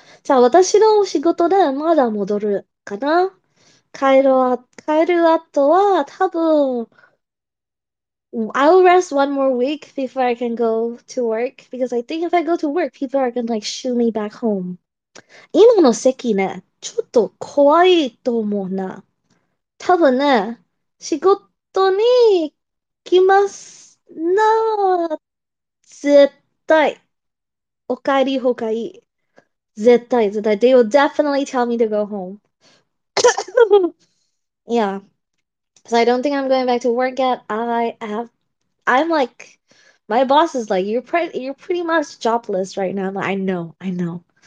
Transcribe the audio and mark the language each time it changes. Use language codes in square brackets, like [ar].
[ja] So 私の仕事でまだ戻るかな? 帰る後は多分。 [en] I'll rest one more week before I can go to work because I think if I go to work, people are gonna like shoo me back home. [ja] 今の席ね、ちょっと怖いと思うな。多分ね、仕事に行きますな。絶対。お帰りほかいい。絶対。 [en] They will definitely tell me to go home. Yeah. So I don't think I'm going back to work yet. I'm like, my boss is like, you're pretty much jobless right now. I'm like, I know.